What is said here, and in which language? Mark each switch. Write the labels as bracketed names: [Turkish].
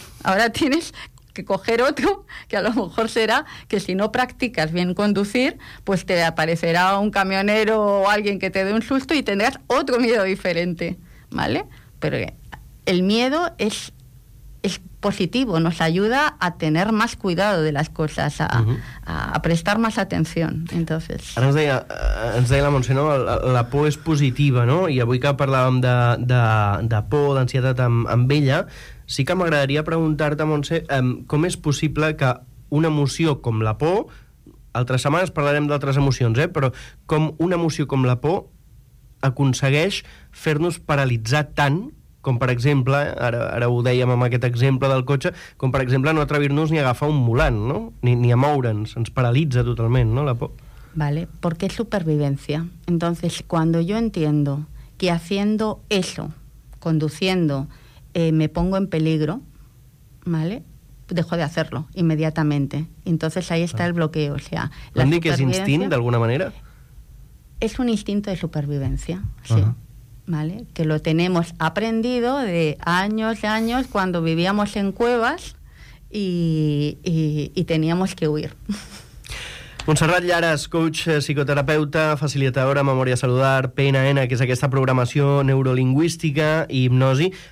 [Spanish] Ahora tienes que coger otro, que a lo mejor será que si no practicas bien conducir, pues te aparecerá un camionero o alguien que te dé un susto y tendrás otro miedo diferente, ¿vale? Pero el miedo es positivo, nos ayuda a tener más cuidado de las cosas, a prestar más atención. Entonces, [Catalan] ara ens deia la Montse, no? La por és positiva, no? I avui que parlàvem de por, d'ansietat amb ella, sí que m'agradaria preguntar-te, Montse, com és possible que una emoció com la por, altres setmanes parlarem d'altres emocions, però com una emoció com la por aconsegueix fer-nos paralitzar tant com per exemple, ara ho dèiem amb aquest exemple del cotxe, com per exemple no atrevir-nos ni a agafar un volant, no? ni a moure'ns, ens paralitza totalment, no, la por. [Spanish] Vale, porque es supervivencia. Entonces, cuando yo entiendo que haciendo eso, conduciendo, me pongo en peligro, ¿vale? Dejo de hacerlo inmediatamente. Entonces ahí está el bloqueo. O sea, la supervivencia, que es instinto de alguna manera? Es un instinto de supervivencia, sí. ¿Vale? Que lo tenemos aprendido de años y años cuando vivíamos en cuevas y teníamos que huir. [Catalan] Montserrat Llares, coach, psicoterapeuta, facilitadora, memòria celular, PNN, que és aquesta programació neurolingüística i hipnosi.